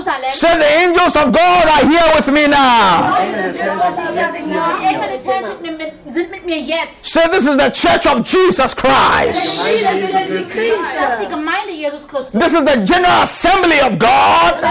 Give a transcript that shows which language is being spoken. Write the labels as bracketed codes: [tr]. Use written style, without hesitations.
[en] Say, the angels of God are here with me now. [de] sind mit mir jetzt. [en] Say, this is the church of Jesus Christ. [de] Das ist die Gemeinde Jesus Christus. [en] This is the general assembly of God.